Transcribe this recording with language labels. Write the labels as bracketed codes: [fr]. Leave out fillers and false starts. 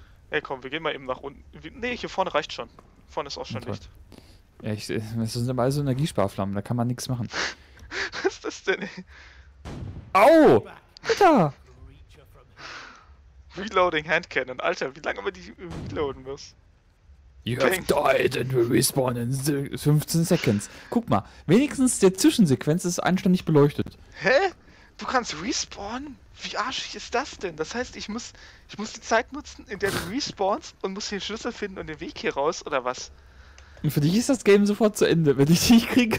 [de] Ey, komm, wir gehen mal eben nach unten. Ne, hier vorne reicht schon. Vorne ist auch schon Licht. Ja, das sind aber alle so Energiesparflammen. Da kann man nichts machen. Was ist das denn, ey? Au! Alter! [en] Reloading Hand Cannon. [de] Alter, wie lange man die reloaden muss? [en] You have died and will respawn in 15 seconds. [de] Guck mal, wenigstens der Zwischensequenz ist anständig beleuchtet. Hä? Du kannst respawnen? Wie arschig ist das denn? Das heißt, ich muss die Zeit nutzen, in der du respawnst und muss den Schlüssel finden und den Weg hier raus, oder was? Und für dich ist das Game sofort zu Ende, wenn ich dich kriege.